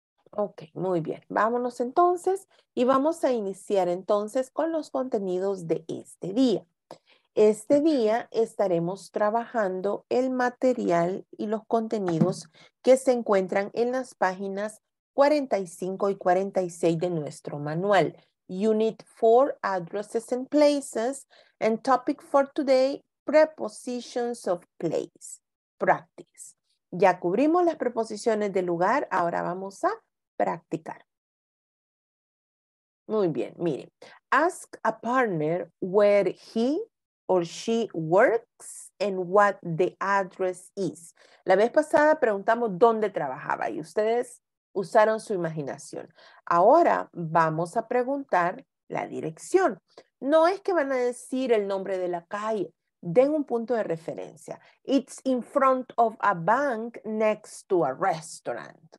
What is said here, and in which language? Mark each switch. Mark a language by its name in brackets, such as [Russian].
[Spanish] Ok, muy bien. Vámonos entonces y vamos a iniciar entonces con los contenidos de este día. Este día estaremos trabajando el material y los contenidos que se encuentran en las páginas 45 y 46 de nuestro manual. [English] Unit 4, Addresses and Places, and topic for today, Prepositions of Place. Practice. [Spanish] Ya cubrimos las preposiciones de lugar, ahora vamos a practicar. Muy bien, miren. [English] Ask a partner where he or she works and what the address is. [Spanish] La vez pasada preguntamos dónde trabajaba y ustedes usaron su imaginación. Ahora vamos a preguntar la dirección. No es que van a decir el nombre de la calle. Den un punto de referencia. [English] It's in front of a bank next to a restaurant.